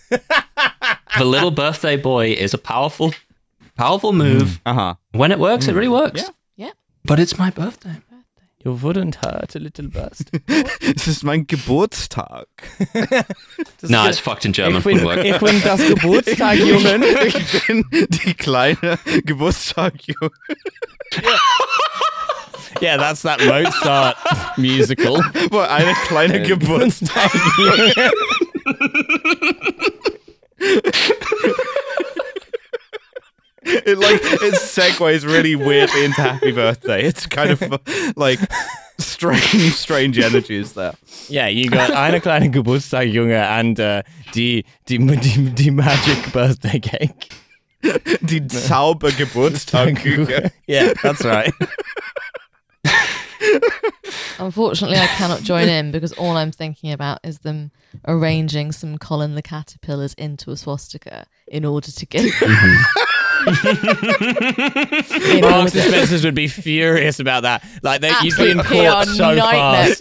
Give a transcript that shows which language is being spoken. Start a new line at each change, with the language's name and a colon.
English: The little birthday boy is a powerful, powerful move. Uh-huh. When it works, it really works. Yeah. But it's my birthday. You wouldn't hurt a little bust. This is my Geburtstag. Nah, it's fucked in German. It wouldn't work.
German: Ich bin das Geburtstag, Jungen. Ich bin die kleine Geburtstag, Jungen.
English: Yeah, that's that Mozart musical. Well,
German: eine kleine Geburtstag,
English: It like it segues really weirdly into happy birthday. It's kind of like strange energies there. Yeah, you got
German: eine kleine Geburtstag, Junge,
English: and die magic birthday cake.
German: Die Zauber Geburtstag, Junge.
English: Yeah, that's right. Unfortunately, I cannot join in because all I'm thinking about is them arranging some Colin the Caterpillars into a swastika in order to get. Marks and Spencers would be furious about that. Like, you've been caught so fast.